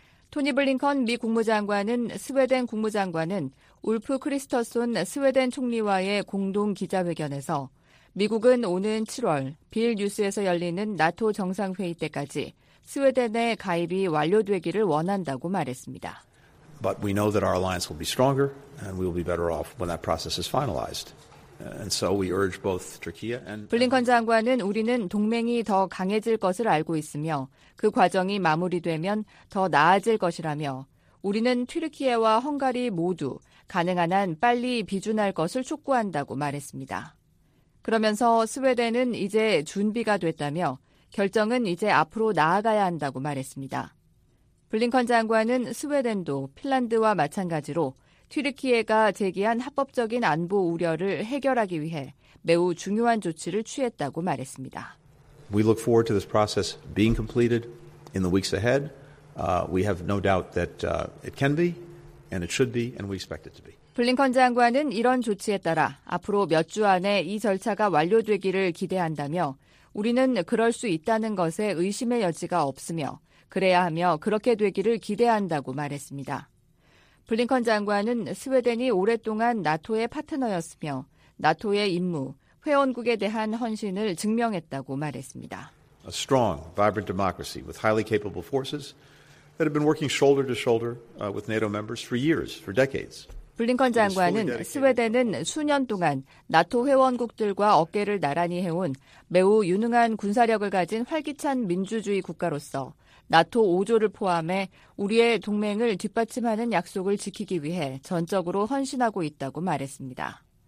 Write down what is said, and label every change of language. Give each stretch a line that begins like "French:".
Korean: 토니 블링컨 미 국무장관은 스웨덴 국무장관은 울프 크리스터슨 스웨덴 총리와의 공동 기자회견에서 미국은 오는 7월 빌뉴스에서 열리는 나토 정상회의 때까지 스웨덴의 가입이 완료되기를 원한다고 말했습니다.
English: But we know that our alliance will be stronger and we will be better off when that process is finalized. And so we urge both Turkey and
Korean: 블링컨 장관은 우리는 동맹이 더 강해질 것을 알고 있으며 그 과정이 마무리되면 더 나아질 것이라며 우리는 튀르키예와 헝가리 모두 가능한 한 빨리 비준할 것을 촉구한다고 말했습니다. 그러면서 스웨덴은 이제 준비가 됐다며 결정은 이제 앞으로 나아가야 한다고 말했습니다. 블링컨 장관은 스웨덴도 핀란드와 마찬가지로 튀르키예가 제기한 합법적인 안보 우려를 해결하기 위해 매우 중요한 조치를 취했다고 말했습니다.
English: We look forward to this process being completed in the weeks ahead. We have no doubt that it can be and it should be and we expect it to be.
Korean: 블링컨 장관은 이런 조치에 따라 앞으로 몇 주 안에 이 절차가 완료되기를 기대한다며 우리는 그럴 수 있다는 것에 의심의 여지가 없으며 그래야 하며 그렇게 되기를 기대한다고 말했습니다. 블링컨 장관은 스웨덴이 오랫동안 나토의 파트너였으며 나토의 임무, 회원국에 대한 헌신을 증명했다고 말했습니다.
English: A strong, vibrant democracy with highly capable forces that have been working shoulder to shoulder with NATO members for years, for decades.
Korean: 블링컨 장관은 스웨덴은 수년 동안 나토 회원국들과 어깨를 나란히 해온 매우 유능한 군사력을 가진 활기찬 민주주의 국가로서 나토 5조를 포함해 우리의 동맹을 뒷받침하는 약속을 지키기 위해 전적으로 헌신하고 있다고 말했습니다.